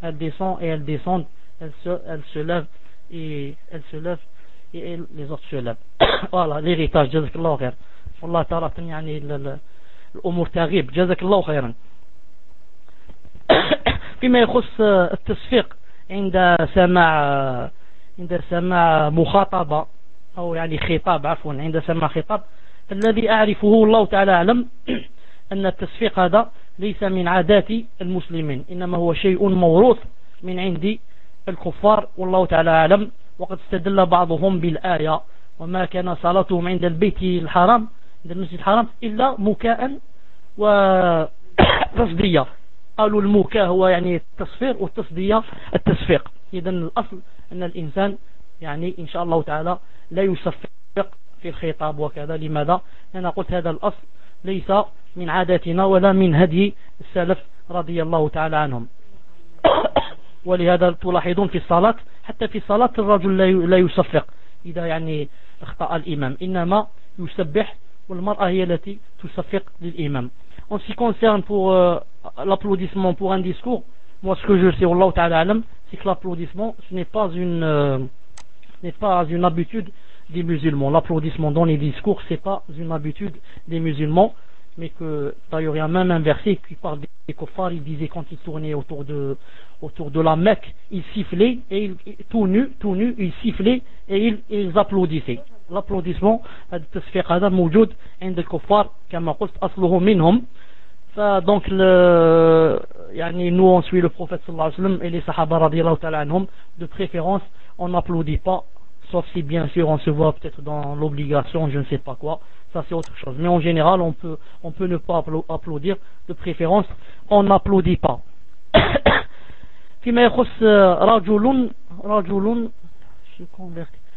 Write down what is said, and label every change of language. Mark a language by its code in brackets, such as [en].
[fr] Elle descend et elle descend. Elle se lève et elle, les autres se lèvent. Voilà l'héritage. Jazakallahu khair. Allah ta'ala t'ni l'omour ta'rib. Jazakallahu khair. [ar] Fima yخص التصفيق. عند سماع مخاطبة أو خطاب، عفوا، عند سماع خطاب، الذي أعرفه الله تعالى أعلم أن التصفيق هذا ليس من عادات المسلمين، إنما هو شيء موروث من عند الكفار، والله تعالى أعلم. وقد استدل بعضهم بالآية: وما كان صلاتهم عند البيت الحرام، عند المسجد الحرام، إلا مكاء وتصديا. قالوا المكا هو التصفير والتصدية التصفيق. إذن الأصل أن الإنسان إن شاء الله تعالى لا يصفق في الخطاب وكذا. لماذا؟ أنا قلت هذا الأصل ليس من عادتنا ولا من هدي السلف رضي الله تعالى عنهم. ولهذا تلاحظون في الصلاة، حتى في الصلاة الرجل لا يصفق إذا اخطأ الإمام، إنما يسبح والمرأة هي التي تصفق للإمام. [fr] En ce qui concerne pour l'applaudissement pour un discours, moi ce que je sais, Allah Ta'ala alam, c'est que l'applaudissement ce n'est pas une habitude des musulmans. L'applaudissement dans les discours, c'est pas une habitude des musulmans, mais que d'ailleurs il y a même un verset qui parle des kuffars. Ils disaient quand ils tournaient autour de la Mecque, ils sifflaient et ils tout nu ils sifflaient et ils applaudissaient. [ar] الابلوديسمون هذا التصفيق هذا موجود عند الكفار كما قلت اصله منهم. [fr] فدونك nous on suit le prophète صلى الله عليه وسلم et les sahaba رضي الله تعالى عنهم. De préférence on n'applaudit pas, sauf si bien sûr on se voit peut-être dans l'obligation, je ne sais pas quoi, ça c'est autre chose. Mais en général on peut ne pas applaudir. De préférence on n'applaudit pas. [ar] فيما يخص رجل [fr] je suis converti.